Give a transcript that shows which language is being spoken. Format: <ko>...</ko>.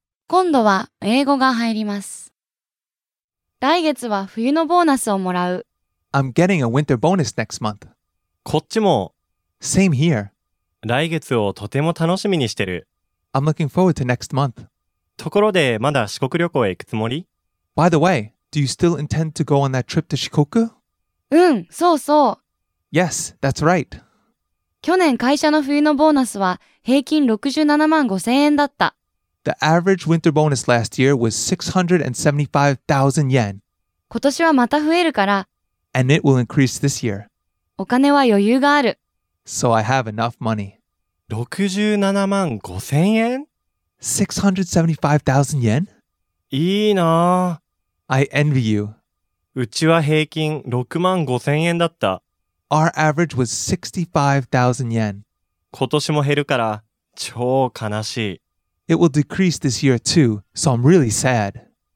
<ja>今度は英語が入ります。来月は冬のボーナスをもらう。</ja> <en>I'm getting a winter bonus next month.</en> <ja>こっちも。</ja> <en>Same here.</en> <ja>来月をとても楽しみにしてる。</ja> <en>I'm looking forward to next month.</en> <ja>ところでまだ四国旅行へ行くつもり？</ja> <en>By the way, do you still intend to go on that trip to 四国？</en> <ja>うん、そうそう。</ja> <en>Yes, that's right.</en> <ja>去年会社の冬のボーナスは平均67万5千円だった。</ja> <en>The average winter bonus last year was 675,000 yen.</en> <ja>今年はまた増えるから。</ja> <en>And it will increase this year.</en> <ja>お金は余裕がある。</ja> <en>So I have enough money.</en> <ja>67万5千円？675,000</ja> <en>yen?</en> <ja>いいな</ja> <en>ぁ。I envy you.</en> <ja>うちは平均6万5千円だった。</ja> <en>Our average was 65,000 yen.</en> <ja>今年も減るから超悲しい。</ja> <en>It will decrease this year too, so I'm really sad.</en>